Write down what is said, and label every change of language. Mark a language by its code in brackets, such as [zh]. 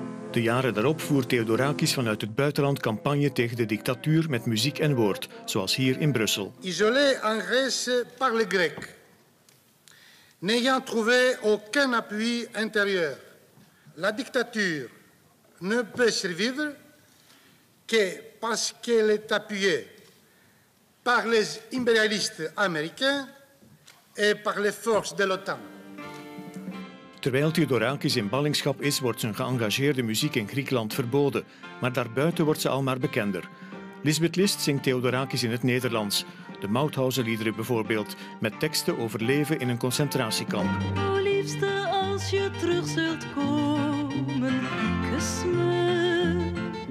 [nl] De jaren daarop voert Theodorakis vanuit het buitenland campagne tegen de dictatuur met muziek en woord, zoals hier in Brussel. [fr] Isolé en Grèce par les Grecs, n'ayant trouvé aucun appui intérieur, la dictature ne peut survivre que parce qu'elle est appuyée par les impérialistes américains et par les forces de l'OTAN. [nl] Terwijl Theodorakis in ballingschap is, wordt zijn geëngageerde muziek in Griekenland verboden. Maar daarbuiten wordt ze al maar bekender. Lisbeth List zingt Theodorakis in het Nederlands. De Mauthausenliederen bijvoorbeeld, met teksten over leven in een concentratiekamp. O liefste, als je terug zult komen, kus me.